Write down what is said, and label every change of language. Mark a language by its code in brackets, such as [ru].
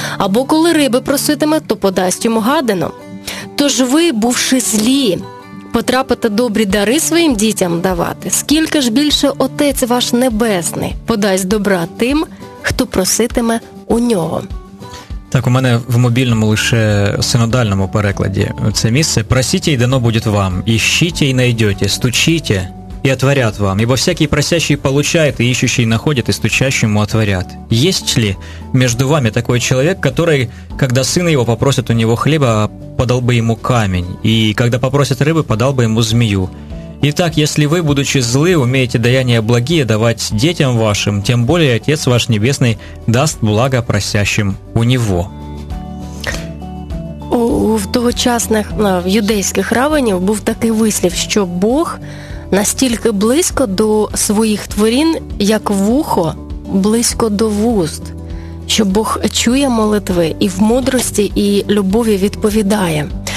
[uk] Або коли риби проситиме, то подасть йому гадину? Тож ви, бувши злі, потрапите добрі дари своїм дітям давати? Скільки ж більше Отець ваш Небесний подасть добра тим, хто проситиме у нього?» Так, у мене в мобільному лише синодальному перекладі це місце. «Просіть, і дано буде вам, [ru] ищіть, і знайдете, стучіть, и отворят вам, ибо всякий просящий получает, и ищущий находит, и стучащему отворят. Есть ли между вами такой человек, который, когда сын его попросит у него хлеба, подал бы ему камень, и когда попросит рыбы, подал бы ему змею? Итак, если вы, будучи злы, умеете даяния благие давать детям вашим, тем более Отец ваш Небесный даст благо просящим у него». [uk] В тогочасних юдейських равенів був такий вислів, що Бог настільки близько до своїх тварин, як вухо близько до вуст, що Бог чує молитви і в мудрості, і любові відповідає.